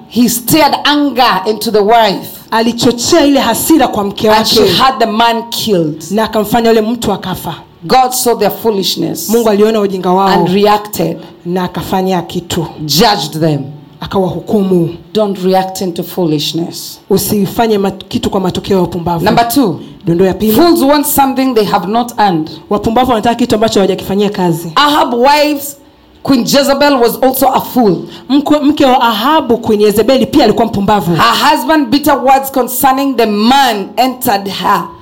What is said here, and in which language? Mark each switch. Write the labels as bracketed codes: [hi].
[en] He stirred anger into the wife. [sw] Alichochea ile hasira kwa mke wake. [en] And she had the man killed. [sw] Na akamfanya yule mtu akafa. [en] God saw their foolishness. [sw] Mungu aliona ujinga wao. [en] And reacted. [sw] Na akafanya kitu. [en] Judged them. [sw] Akawahukumu. [en] Don't react into foolishness. [sw] Usifanye kitu kwa matokeo ya upumbavu. [en] Number 2. [sw] Dondo ya pili. [en] Fools want something they have not earned. [sw] Wapumbavu wanataka kitu ambacho hawajakifanyia kazi. [en] Ahab wives Queen Jezebel was also a fool. [sw] Mke wa Ahabu Queen Jezebel pia alikuwa mpumbavu. [en] Her husband bitter words concerning the man entered her.